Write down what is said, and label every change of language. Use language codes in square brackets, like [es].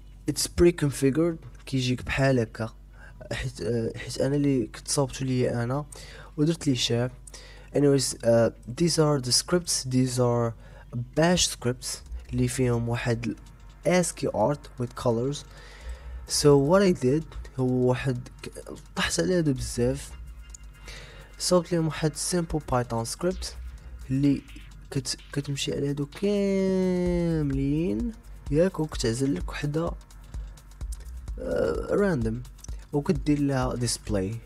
[ar] It's pre-configured, كيجيك بحال هكا, حيت انا اللي كنت صوبتو لي انا ودرت لي شير. [en] Anyways, these are the scripts, these are bash scripts اللي فيهم واحد ASCII art with colors. [ar] So what I did, هو واحد طحت عليه هادو بزاف, صوبت لهم واحد simple python script اللي كتمشي على هادو كاملين ياك, وكتعزل لك وحده random وكدير لها display.